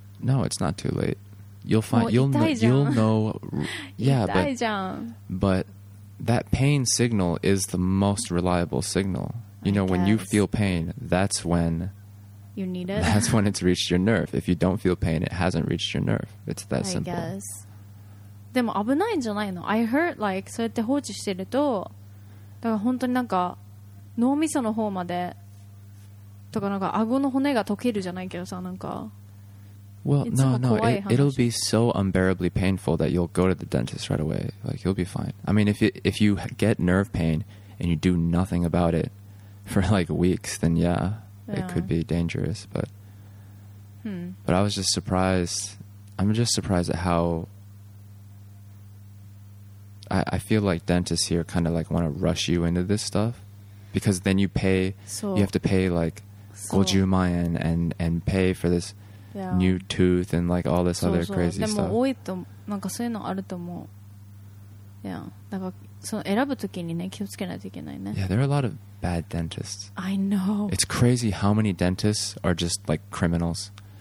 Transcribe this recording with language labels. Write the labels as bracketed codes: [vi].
[en] No, it's not too late. You'll find... You'll know... Yeah, but that pain signal is the most reliable signal. You know, when you feel pain, that's when... You need it. That's when it's reached your nerve. If you don't feel pain, it hasn't reached your nerve. It's that I simple. I guess. [ja] でも危ないんじゃないの? [en] I heard, like, [ja] そうやって放置してると、だから本当になんか脳みその方まで、とかなんか顎の骨が溶けるじゃないけどさ、なんか。 [en] Well, no, no. It'll be so unbearably painful that you'll go to the dentist right away. Like, you'll be fine. I mean, if you get nerve pain and you do nothing about it for, like, weeks, then yeah. It could be dangerous, but but I was just surprised. I'm just surprised at how I feel like dentists here kind of like want to rush you into this stuff because then you pay. You have to pay like 50 yen and pay for this new tooth and like all this other crazy stuff. [ja] でも多いとなんかそういうのあると思う。 Yeah, だからその選ぶときにね気をつけないといけないね。 [en] Yeah, there are a lot of bad dentists. I know. It's crazy how many dentists are just like criminals.